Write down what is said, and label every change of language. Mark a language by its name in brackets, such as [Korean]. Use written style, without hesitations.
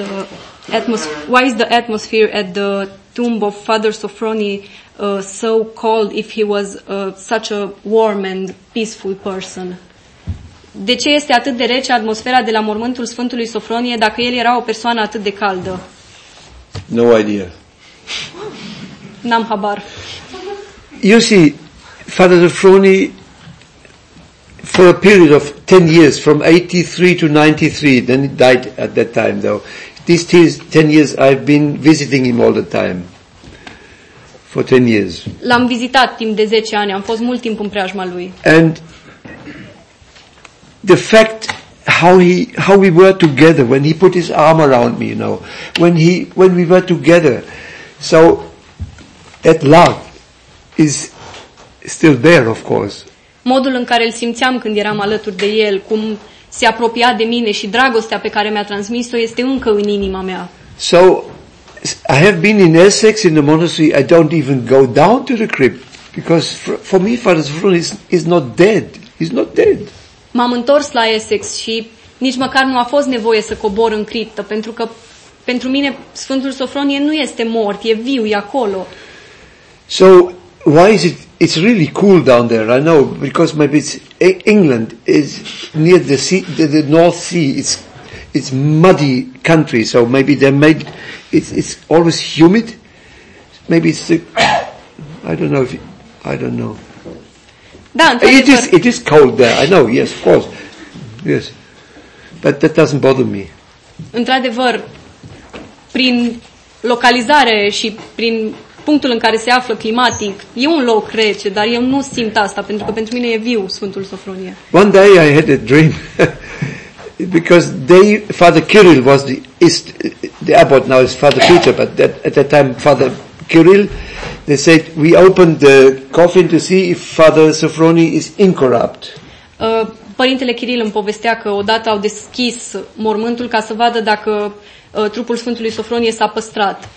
[English] Why is the atmosphere at the tomb of Father Sofroni so cold if he was such a warm and peaceful person? [Romanian] De ce este atât de rece atmosfera de la mormântul Sfântului Sofronie dacă el era o persoană atât de caldă? [English] No idea. [Romanian] N-am habar. [English] You see, Father Sofroni, for a period of 10 years, from 83 to 93, then he died at that time though. These 10 years I've been visiting him all the time. For 10 years. [Romanian] L-am vizitat timp de 10 ani, am fost mult timp în preajma lui. [English] And the fact how we were together when he put his arm around me, you know, when we were together, so that love is still there, of course. [Romanian] Modul în care îl simțeam când eram alături de el, cum se apropia de mine și dragostea pe care mi-a transmis-o este încă în inima mea. [English] So I have been in Essex in the monastery. I don't even go down to the crypt because for me Father Sofroni is not dead. He's not dead. [Romanian] M-am întors la Essex și nici măcar nu a fost nevoie să cobor în criptă, pentru că pentru mine Sfântul Sofronie nu este mort, e viu, e acolo. [English] So why is it? It's really cool down there. I know because maybe it's England is near the sea, the North Sea. It's muddy country, so maybe they made it's always humid. Maybe it's the, I don't know. [Romanian] Da, [English] it is cold there. I know. Yes, of course. Yes. But that doesn't bother me. [Romanian] Într-adevăr, prin localizare și prin punctul în care se află climatic, e un loc rece, dar eu nu simt asta pentru că pentru mine e viu Sfântul Sofronie. [English] One day I had a dream because Father Kirill was the is the abbot now is Father Peter, but that, at that time Father Kirill, they said, we opened the coffin to see if Father Sofroni is incorrupt. [Romanian] Părintele Kirill îmi povestea că odată au deschis mormântul ca să vadă dacă trupul Sfântului Sofronie s-a păstrat.